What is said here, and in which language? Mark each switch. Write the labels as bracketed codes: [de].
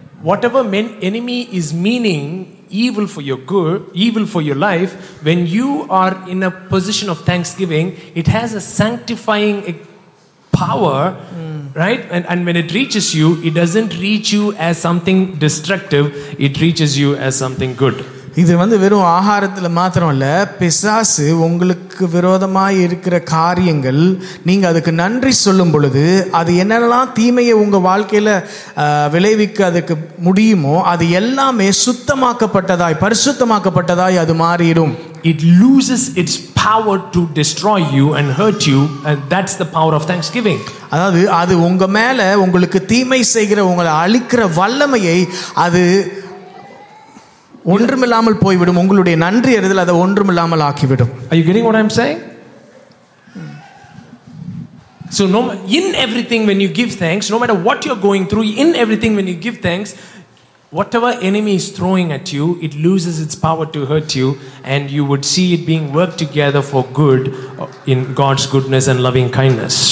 [en] Whatever enemy is meaning evil for your good, evil for your life, when you are in a position of thanksgiving, it has a sanctifying power, right? And when it reaches you, it doesn't reach you as something destructive, it reaches you as something good. [ta] இது வந்து வெறும் ஆகாரத்தில் மாத்திரம் இல்ல, பிசாசு உங்களுக்கு விரோதமாக இருக்கிற காரியங்கள் நீங்க அதுக்கு நன்றி சொல்லும் பொழுது அது என்னெல்லாம் தீமையை உங்க வாழ்க்கையில விளைவிக்க அதுக்கு முடியுமோ அது எல்லாமே சுத்தமாக்கப்பட்டதாய் பரிசுத்தமாக்கப்பட்டதாய் அது மாறிடும். [en] It loses its power to destroy you and hurt you, and that's the power of thanksgiving. [ta] அதாவது அது உங்க மேல உங்களுக்கு தீமை செய்கிற உங்களை அழிக்கிற வல்லமையை அது ஒன்றுமில்லாமல் போய்விடும். உங்களுடைய நன்றி எறிதல் அதை ஒன்றுமில்லாமல் ஆக்கிவிடும். [en] Are you getting what I'm saying? So no, in everything when you give thanks, no matter what you're going through, in everything when you give thanks, whatever enemy is throwing at you, it loses its power to hurt you, and you would see it being worked together for good in God's goodness and loving kindness.